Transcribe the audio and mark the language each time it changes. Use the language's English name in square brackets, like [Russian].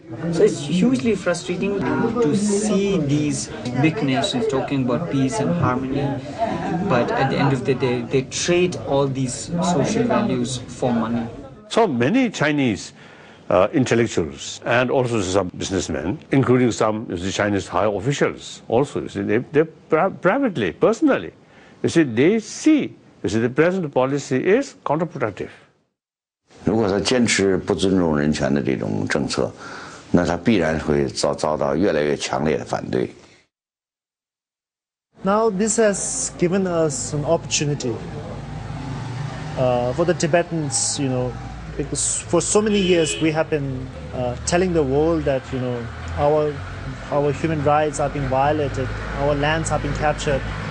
[English] So it's hugely frustrating to see these big nations talking about peace and harmony, but at the end of the day, they trade all these social values for money. So many Chinese intellectuals and also some businessmen, including some of the Chinese high officials also, you see, they privately, personally, you see, they see, you see, the present policy is counterproductive. [Chinese] 如果他坚持不尊重人权的这种政策, 那他必然会遭到越来越强烈的反对。 [English] Now this has given us an opportunity for the Tibetans, you know, because for so many years we have been telling the world that, you know, our human rights are being violated, our lands are being captured.